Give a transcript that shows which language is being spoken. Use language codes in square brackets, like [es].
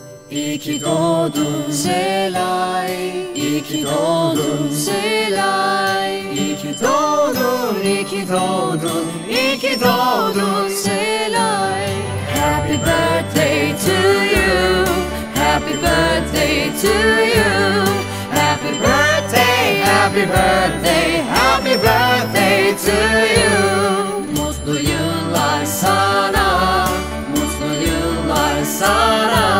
[tr] İyi ki doğdun Selay, iyi ki doğdun Selay, iyi ki doğdun, iyi ki doğdun, iyi ki doğdun Selay. [en] Happy birthday to you, happy birthday to you, happy birthday, happy birthday, happy birthday to you. [tr] Mutlu yıllar sana, mutlu yıllar sana.